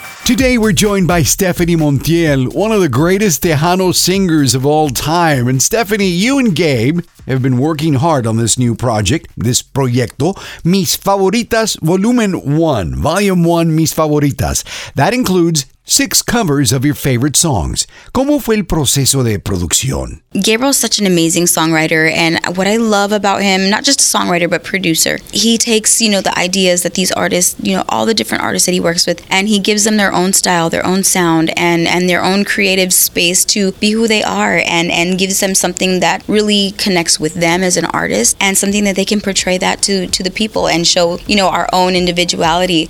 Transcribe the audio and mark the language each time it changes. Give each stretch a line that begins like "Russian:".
English: Today we're joined by Stephanie Montiel, one of the greatest Tejano singers of all time. And Stephanie, you and Gabe have been working hard on this new project, this proyecto, Mis Favoritas Volumen 1, Volume 1, Mis Favoritas. That includes 6 covers of your favorite songs.
Spanish: ¿Cómo fue el proceso de producción?
English: Gabriel's such an amazing songwriter, and what I love about him, not just a songwriter, but producer, he takes, you know, the ideas that these artists, you know, all the different artists that he works with, and he gives them their own style, their own sound, and their own creative space to be who they are, and gives them something that really connects with them as an artist, and something that they can portray that to the people and show, you know, our own individuality.